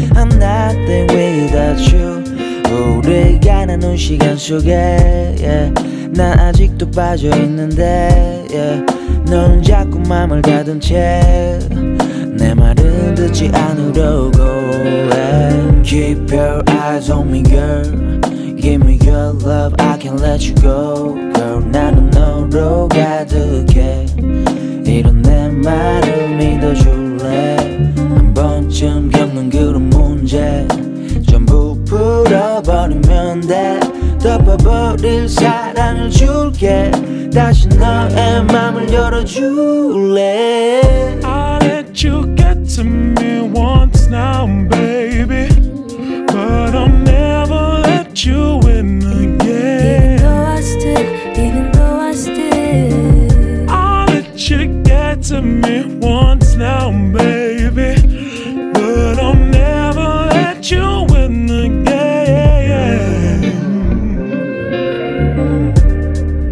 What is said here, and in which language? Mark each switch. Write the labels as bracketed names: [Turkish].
[English] I'm nothing without you. [Korean] 우리가 나눈 시간 속에 yeah. 난 아직도 빠져있는데 yeah. 너는 자꾸 맘을 가둔 채 내 말은 듣지 않으려고 해. [English] Keep your eyes on me girl. Give me your love, I can't let you go. [Korean] Girl, 나는 너로 가득해. 이런 내 말을 믿어줄래. 한 번쯤 겪는 그런 문제 전부 풀어버리면 돼. 덮어버릴 사랑을 줄게. 다시 너의 맘을 열어줄래. [English] I'll let you get to me once now, baby. But I'm never let you. To me once now, baby, but I'll never let you in again.